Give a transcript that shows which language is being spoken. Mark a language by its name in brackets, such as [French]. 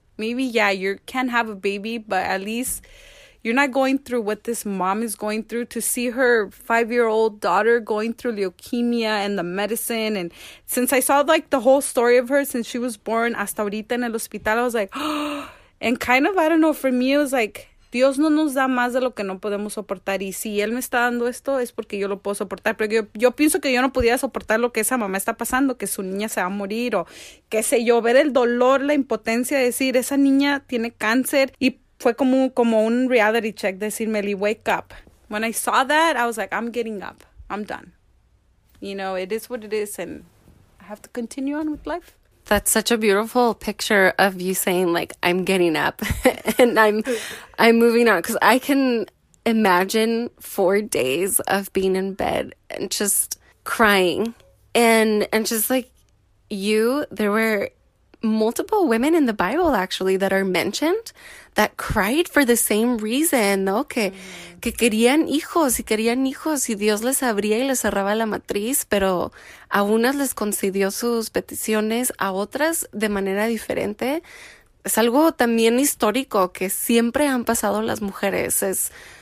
[English] Maybe, yeah, you can't have a baby, but at least you're not going through what this mom is going through. To see her 5-year-old daughter going through leukemia and the medicine. And since I saw like the whole story of her since she was born [Spanish] hasta ahorita en el hospital, [English] I was like, oh, and kind of, I don't know, for me, it was like, [Spanish] Dios no nos da más de lo que no podemos soportar. Y si Él me está dando esto, es porque yo lo puedo soportar. Pero yo pienso que yo no pudiera soportar lo que esa mamá está pasando, que su niña se va a morir o qué sé yo. Ver el dolor, la impotencia de decir, esa niña tiene cáncer. Y fue como un reality check, decir, Meli, [English] wake up. When I saw that, I was like, I'm getting up. I'm done. You know, it is what it is and I have to continue on with life. That's such a beautiful picture of you saying, like, I'm getting up and I'm moving on. Because I can imagine 4 days of being in bed and just crying. And just, like, you, there were multiple women in the Bible actually that are mentioned that cried for the same reason, ¿no? [Spanish] Que querían hijos y Dios les abría y les cerraba la matriz, pero a unas les concedió sus peticiones, a otras de manera diferente. Es algo también histórico que siempre han pasado las mujeres.